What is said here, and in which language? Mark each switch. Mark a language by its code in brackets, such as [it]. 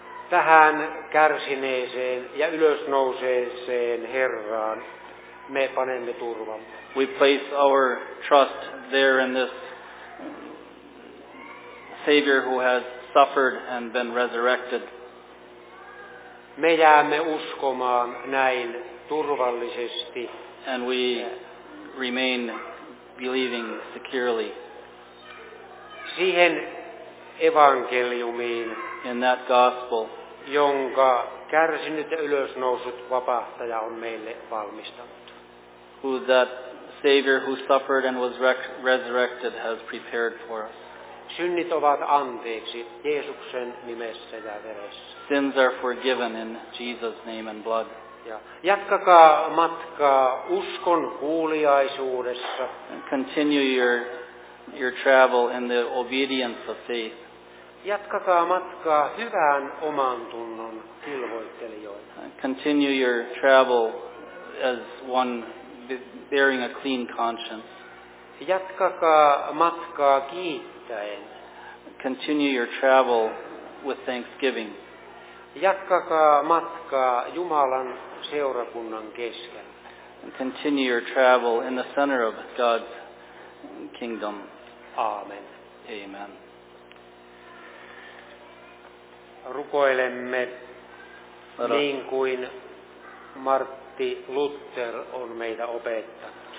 [fi] tähän kärsineeseen ja ylösnouseeseen Herraan me panemme turvamme. [en] We place our trust there in this Savior who has suffered and been resurrected. [fi] Me jäämme uskomaan näin turvallisesti. [en] And we remain believing securely. [fi] Siihen evankeliumiin, [en] in that gospel, [fi] jonka kärsinyt ja ylösnousut vapahtaja on meille valmistanut. [en] Who that Savior who suffered and was resurrected has prepared for us. [fi] Synnit ovat anteeksi Jeesuksen nimessä ja veressä. [en] Sins are forgiven in Jesus' name and blood. [fi] Ja jatkakaa matkaa uskon kuuliaisuudessa. [en] And continue your travel in the obedience of faith. [fi] Jatkakaa matkaa hyvään oman tunnon kilvoittelijoina. [en] Continue your travel as one bearing a clean conscience. [fi] Jatkakaa matkaa kiittäen. [en] Continue your travel with thanksgiving. [fi] Jatkakaa matkaa Jumalan seurakunnan kesken. [en] Continue your travel in the center of God's kingdom. [fi] Aamen. [en] Amen. [fi] Rukoilemme niin kuin Martti Luther on meitä opettanut.